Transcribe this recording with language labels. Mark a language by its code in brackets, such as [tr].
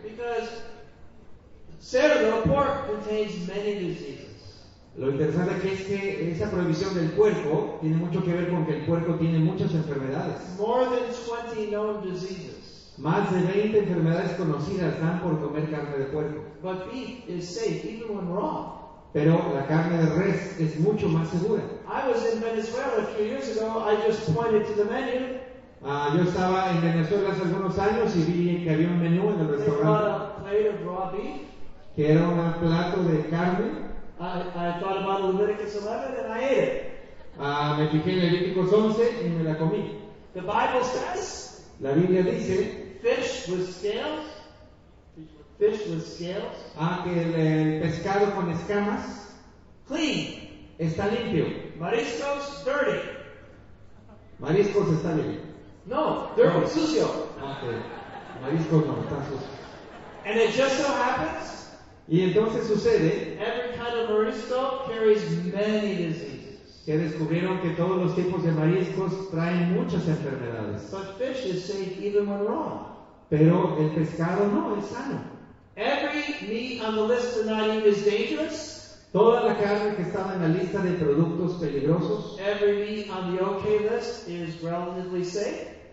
[en] Because cerdo, pork, contains many diseases. [es] Lo interesante aquí es que esa prohibición del puerco tiene mucho que ver con que el puerco tiene muchas enfermedades. [en] More than 20 known diseases. [es] Más de 20 enfermedades conocidas dan por comer carne de puerco. [en] But beef is safe, even when raw. [es] Pero la carne de res es mucho más segura. [en] I was in Venezuela a few years ago. I just pointed to the menu. [es] Yo estaba en Venezuela hace algunos años y vi que había un menú en el restaurante. [en] They brought a plate of raw beef. [es] Que era un plato de carne. [en] I thought about Leviticus 11 and I ate it. [es] Me fijé en Leviticus 11 y me la comí. [en] The Bible says. [es] La Biblia dice. [en] Fish with scales. Fish with scales. [es] Que el pescado con escamas. [en] Clean. [es] Está limpio. [en] Mariscos dirty. [es] Mariscos está limpio. [en] No, dirty, no. [es] Sucio. Mariscos no, está sucio. [en] And it just so happens. [es] Y entonces sucede. [en] Every kind of marisco carries many diseases. [es] Que descubrieron que todos los tipos de mariscos traen muchas enfermedades. [en] But fish is safe even when raw. [es] Pero el pescado no, es sano. [en] Every meat on the list tonight is dangerous. [es] Toda la carne que estaba en la lista de productos peligrosos. [en] Every meat on the okay list is relatively safe.